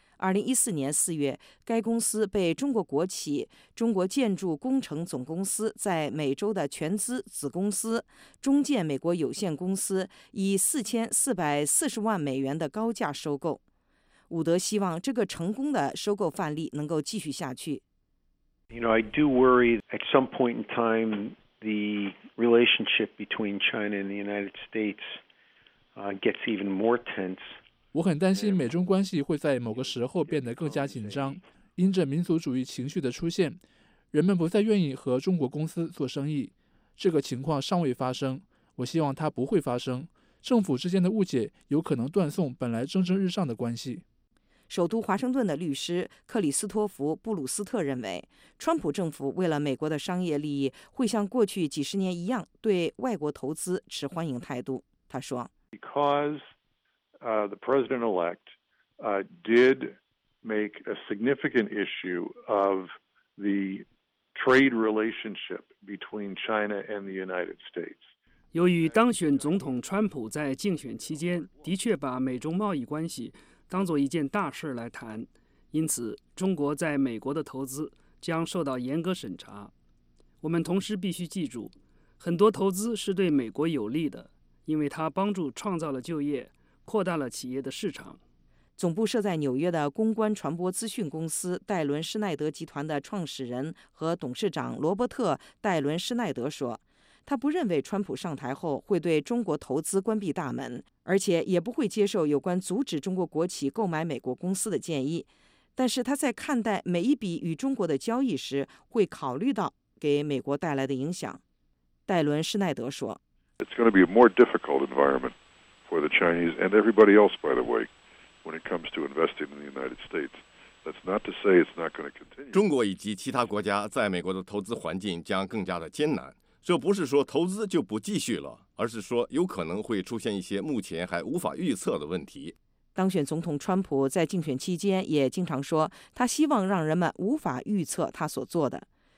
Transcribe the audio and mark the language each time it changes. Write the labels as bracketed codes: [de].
[zh] 2014年4月，该公司被中国国企中国建筑工程总公司在美洲的全资子公司中建美国有限公司以$4,440,000的高价收购。伍德希望这个成功的收购范例能够继续下去。 [en] I do worry at some point in time the relationship between China and the United States gets even more tense. [zh] 我很担心美中关系会在某个时候变得更加紧张，因着民族主义情绪的出现，人们不再愿意和中国公司做生意。这个情况尚未发生，我希望它不会发生。政府之间的误解有可能断送本来蒸蒸日上的关系。首都华盛顿的律师克里斯托弗·布鲁斯特认为，川普政府为了美国的商业利益，会像过去几十年一样对外国投资持欢迎态度。他说 [en] ：“Because the president-elect did make a significant issue of the trade relationship between China and the United States.” [zh] 由于当选总统川普在竞选期间的确把美中贸易关系当作一件大事来谈，因此中国在美国的投资将受到严格审查。我们同时必须记住，很多投资是对美国有利的，因为它帮助创造了就业，扩大了企业的市场。总部设在纽约的公关传播资讯公司戴伦·施奈德集团的创始人和董事长罗伯特·戴伦·施奈德说，他不认为川普上台后会对中国投资关闭大门，而且也不会接受有关阻止中国国企购买美国公司的建议。但是他在看待每一笔与中国的交易时，会考虑到给美国带来的影响。戴伦·施奈德说 [en] ：“It's going to be a more difficult environment for the Chinese and everybody else, by the way, when it comes to investing in the United States.” That's not to say it's not going to continue. [zh] 中国以及其他国家在美国的投资环境将更加的艰难。这不是说投资就不继续了，而是说有可能会出现一些目前还无法预测的问题。当选总统川普在竞选期间也经常说，他希望让人们无法预测他所做的。